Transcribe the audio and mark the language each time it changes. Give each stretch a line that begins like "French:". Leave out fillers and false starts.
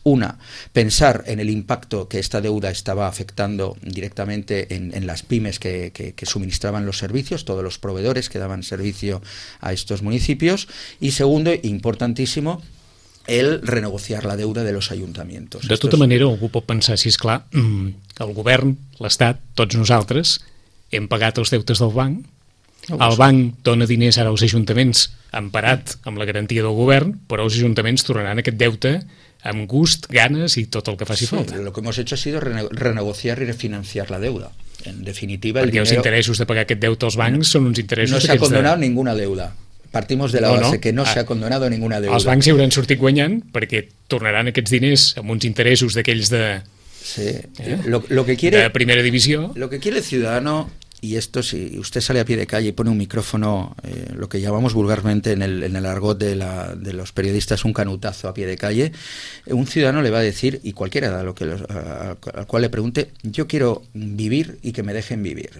Spanish: Una, pensar en el impacto que esta deuda estaba afectando directamente en las pymes que suministraban los servicios, todos los proveedores que daban servicio a estos municipios. Y segundo, importantísimo, el renegociar la deuda de los ayuntamientos.
Catalan: De tota manera, algú pot pensar, si és clar, el govern, l'Estat, tots nosaltres, hem pagat els deutes del banc, El banc dona diners ara als ajuntaments, emparat amb la garantia del govern, però els ajuntaments tornaran aquest deute amb gust, ganes i tot el que faci falta.
Spanish: Lo que hemos hecho ha sido renegociar y refinanciar la deuda. En definitiva,
Catalan: perquè els interessos de pagar aquest deute als bancs són uns interessos... No s'ha condonat
Spanish: ninguna deuda. Partimos de la base que no s'ha condonat ninguna deuda.
Catalan: Els bancs hi hauran sortit guanyant perquè tornaran aquests diners amb uns interessos d'aquells de...
Spanish: Sí. Lo que quiere,
Catalan: de primera divisió.
Spanish: Lo que quiere el ciudadano, y esto si usted sale a pie de calle y pone un micrófono, lo que llamamos vulgarmente en el argot de los periodistas un canutazo a pie de calle, un ciudadano le va a decir, y cualquiera a lo que al cual le pregunte, yo quiero vivir y que me dejen vivir.